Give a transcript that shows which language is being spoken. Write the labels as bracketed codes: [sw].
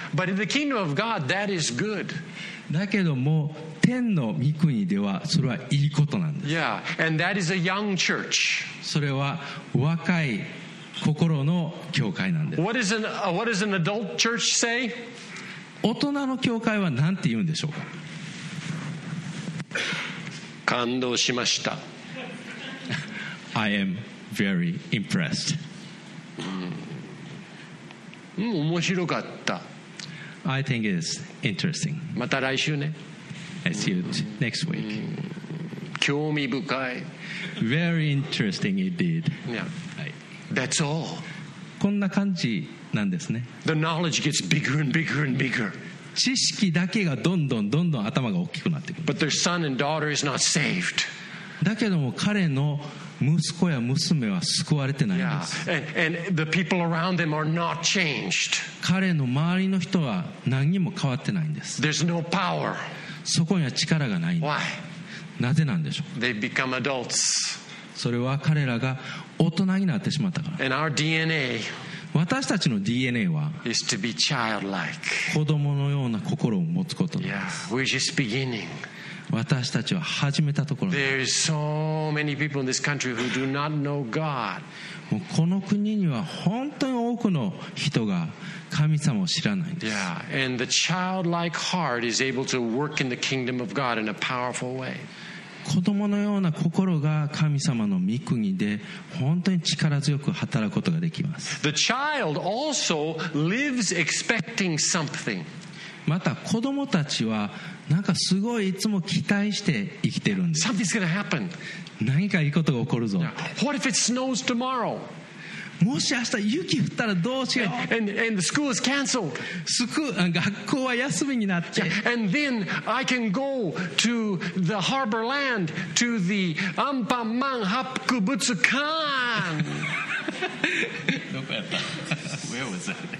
[en] But in the kingdom of God, that is good. [ja] だけども天の御国ではそれはいいことなんです。 [en] Yeah, and that is a young church. [ja] それは若い心の教会なんです。 [en] What does an adult church say? [ja] 大人の教会は何て言うんでしょうか。感動しました。 [en] I am very impressed. [ja] 面白かった。 [en] I think it's interesting. [ja] また来週ね。 [en] I see you next week. [ja] 興味深い。 [en] Very interesting indeed. Yeah. That's all. [ja] こんな感じなんですね。 [en] The knowledge gets bigger and bigger and bigger. [ja] 知識だけがどんどんどんどん頭が大きくなってくる。 [en] But their son and daughter is not saved. [ja] だけども彼の息子や娘は救われてないんです。 [en] Yeah, and the people around them are not changed. [ja] 彼の周りの人は何にも変わってないんです。 [en] There's no power. [ja] そこには力がないんです。 [en] Why? [ja] なぜなんでしょう。 [en] They've become adults. [ja] それは彼らが大人になってしまったから。 [en] And our DNA. [ja] 私たちの DNA は [en] is to be childlike. [ja] 子供のような心を持つことなんです。 [en] Yeah, we're just beginning. [ja] 私たちは始めたところ。 [en] There is so many people in this country who do not know God. [ja] もうこの国には本当に多くの人が神様を知らないんです。 [en] Yeah, and the childlike heart is able to work in the kingdom of God in a powerful way. [ja] 子供のような心が神様の御国で本当に力強く働くことができます。 [en] The child also lives expecting something. [ja] また子供たちはなんかすごいいつも期待して生きてるんです。 [en] Something's gonna happen. [ja] 何かいいことが起こるぞ。 [en] Yeah. What if it snows tomorrow? [ja] もし明日雪降ったらどうしよう。 [en] And the school is canceled. [ja] 学校は休みになって。 [en] Yeah. And then I can go to the harbor land to the Ampanman Hapkubutsukan. [ja] どこやった? [en] Where was that?